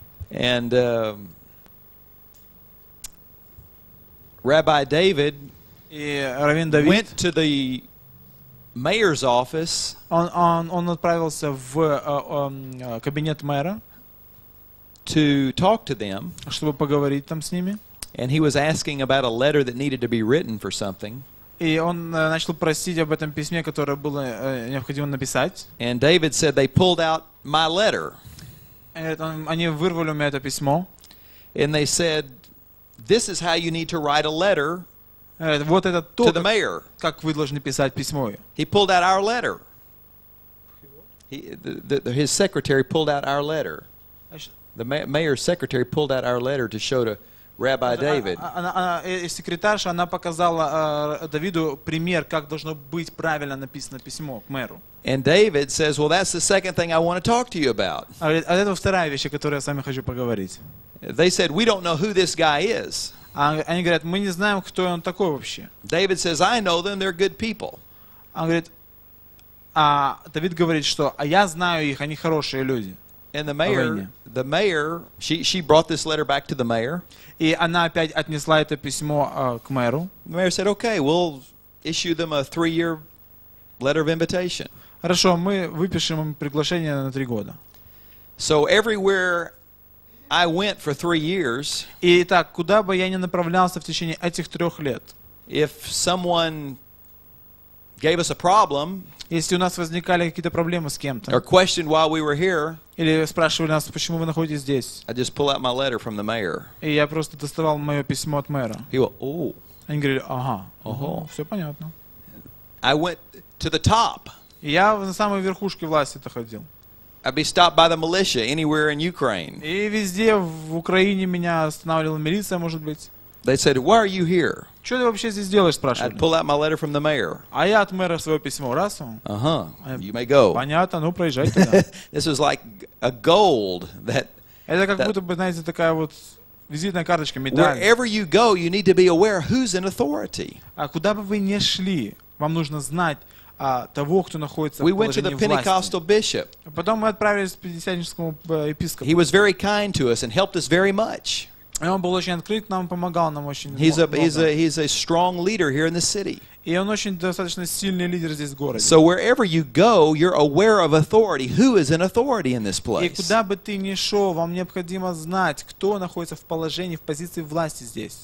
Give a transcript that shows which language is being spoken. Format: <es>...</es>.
<en>And Rabbi David went to the mayor's office.</en> <ru>Он отправился в кабинет мэра.</ru> <en>To talk to them.</en> <ru>Чтобы поговорить там с ними.</ru> <en>And he was asking about a letter that needed to be written for something.</en> <ru>И он начал просить об этом письме, которое было необходимо написать.</ru> <en>And David said they pulled out my letter.</en> <ru>Они вырвали у меня это письмо.</ru> <en>And they said, this is how you need to write a letter to the mayor.</en> <ru>Как вы должны писать письмо.</ru> <en>He pulled out our letter. His secretary pulled out our letter. The mayor's secretary pulled out our letter to show to Rabbi David.</en> <ru>Секретарша, она показала Давиду пример, как должно быть правильно написано письмо к мэру.</ru> <en>And David says, well, that's the second thing I want to talk to you about.</en> <ru>А это вторая вещь, о которой я с вами хочу поговорить.</ru> <en>They said, we don't know who this guy is.</en> <ru>Они говорят, мы не знаем, кто он такой вообще.</ru> <en>David says, I know them, they're good people.</en> <ru>Он говорит, а Давид говорит, что я знаю их, они хорошие люди.</ru> <en>And the mayor, she brought this letter back to the mayor.</en> <ru>И она опять отнесла это письмо к мэру.</ru> <en>The mayor said, "Okay, we'll issue them a 3-year letter of invitation."</en> <ru>Хорошо, мы выпишем им приглашение на 3 года.</ru> <en>So everywhere I went for 3 years.</en> <ru>И так, куда бы я ни направлялся в течение этих 3 лет.</ru> <en>If someone gave us a problem,</en> <ru>если у нас возникали какие-то проблемы с кем-то,</ru> <en>or questioned while we were here,</en> <ru>или спрашивали нас, почему вы находитесь здесь,</ru> <en>I just pull out my letter from the mayor.</en> <ru>И я просто доставал мое письмо от мэра.</ru> <en>He went, oh.</en> <ru>Они говорили, ага, все понятно.</ru> <en>I went to the top.</en> <ru>Я на самой верхушке власти доходил.</ru> <en>I'd be stopped by the militia anywhere in Ukraine.</en> <ru>И везде в Украине меня останавливала милиция, может быть.</ru> <en>They said, "Why are you here?"</en> <ru>Что ты вообще здесь делаешь, спрашивают.</ru> <en>I'd pull out my letter from the mayor.</en> <ru>А я от мэра свое письмо, раз.</ru> <en>Uh-huh. You may go.</en> <ru>Понятно, ну проезжай туда.</ru> <en>This was like a gold that.</en> <ru>Это как будто бы, знаете, такая вот визитная карточка, медаль.</ru> <en>Wherever you go, you need to be aware who's in authority.</en> <ru>А куда бы вы ни шли, вам нужно знать. Того, кто находится</ru> <en>we went to the Pentecostal bishop.</en> <ru>Потом мы отправились к пятидесятническому епископу.</ru> <en>He was very kind to us and helped us very much.</en> <ru>И он был очень открыт нам, помогал нам очень.</ru> <en>He's a strong leader here in the city.</en> <ru>И он очень достаточно сильный лидер здесь в городе.</ru> <en>So wherever you go, you're aware of authority. Who is in authority in this place?</en> <ru>И куда бы ты ни шел, вам необходимо знать, кто находится в положении, в позиции власти здесь.</ru>